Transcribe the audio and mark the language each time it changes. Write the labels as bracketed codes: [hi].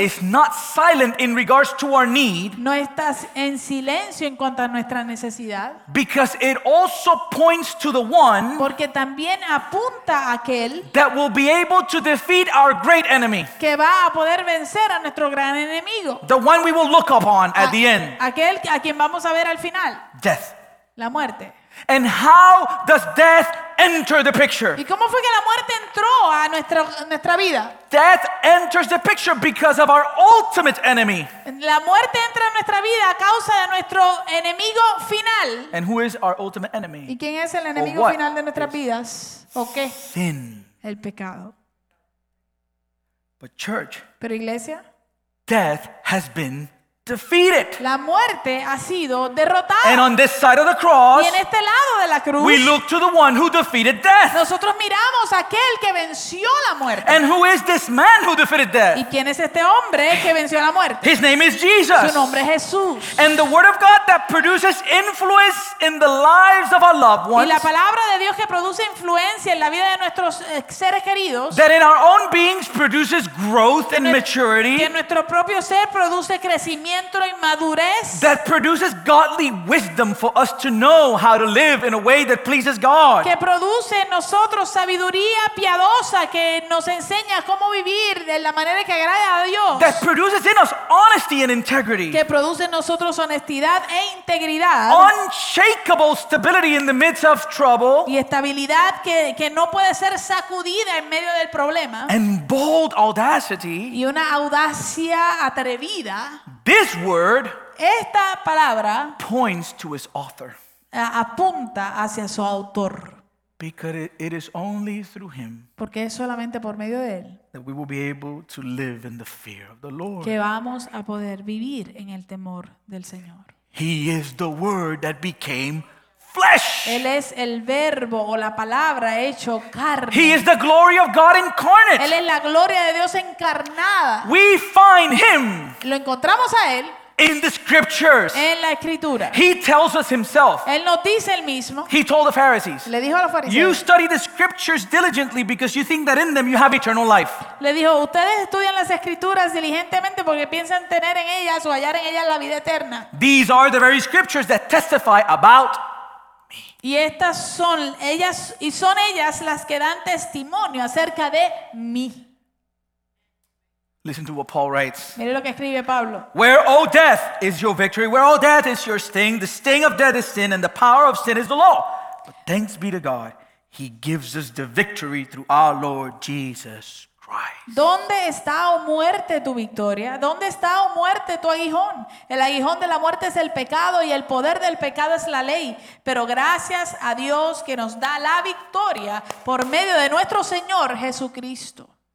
[en] is not silent in regards to our need. [es] No está en silencio en cuanto a nuestra necesidad. [en] Because it also points to the one, [es] porque también apunta a aquel, [en] that will be able to defeat our great enemy, [es] que va a poder vencer a nuestro gran enemigo, [en] the one we will look upon at the end, [es] aquel a quien vamos a ver al final, [en] death. [es] La muerte. [en] And how does death entered the picture. [es] ¿Y cómo fue que la muerte entró a nuestra vida? [en] Death enters the picture because of our ultimate enemy. [es] La muerte entra en nuestra vida a causa de nuestro enemigo final. [en] And who is our ultimate enemy? [es] ¿Y quién es el enemigo final de nuestras vidas? ¿O qué? [en] Sin. [es] El pecado. [en] But church. [es] Pero iglesia. [en] Death has been defeated. [es] La muerte ha sido derrotada. [en] And on this side of the cross, [es] y en este lado de la cruz, [en] we look to the one who defeated death. [es] Nosotros miramos a aquel que venció la muerte. [en] And who is this man who defeated death? [es] ¿Y quién es este hombre que venció la muerte? [en] His name is Jesus. [es] Su nombre es Jesús. [en] And the word of God that produces influence in the lives of our loved ones. [es] Y la palabra de Dios que produce influencia en la vida de nuestros seres queridos. [en] That in our own beings produces growth and maturity. [es] Que en nuestro propio ser produce crecimiento. [en] That produces godly wisdom for us to know how to live in a way that pleases God. [es] Que produce en nosotros sabiduría piadosa que nos enseña cómo vivir de la manera que agrada a Dios. [en] That produces in us honesty and integrity. [es] Que produce en nosotros honestidad e integridad. [en] Unshakable stability in the midst of trouble. [es] Y estabilidad que no puede ser sacudida en medio del problema. [en] And bold audacity. [es] Y una audacia atrevida. [en] This word, [es] esta palabra, [en] points to its author. [es] Apunta hacia su autor. [en] Because it is only through him. [es] Porque es solamente por medio de él. [en] That we will be able to live in the fear of the Lord. [es] Que vamos a poder vivir en el temor del Señor. [en] He is the word that became flesh. [es] Él es el verbo o la palabra hecho carne. [en] He is the glory of God incarnate. [es] Él es la gloria de Dios encarnada. [en] We find him. [es] Lo encontramos a él. [en] In the scriptures. [es] En la escritura. [en] He tells us himself. [es] Él nos dice el mismo. [en] He told the Pharisees. [es] Le dijo a los fariseos. [en] You study the scriptures diligently because you think that in them you have eternal life. [es] Le dijo, ustedes estudian las escrituras diligentemente porque piensan tener en ellas o hallar en ellas la vida eterna. [en] These are the very scriptures that testify about [es] y estas son ellas y son ellas las que dan testimonio acerca de mí. [en] Listen to what Paul writes. [es] Mire lo que escribe Pablo. [en] Where, O death, is your victory? Where, O death, is your sting? The sting of death is sin, and the power of sin is the law. But thanks be to God, He gives us the victory through our Lord Jesus Christ. [es] ¿Dónde está, oh muerte, tu victoria? ¿Dónde está, oh muerte, tu aguijón? El aguijón de la muerte es el pecado y el poder del pecado es la ley. Pero gracias a Dios que nos da la victoria por medio de nuestro Señor Jesucristo.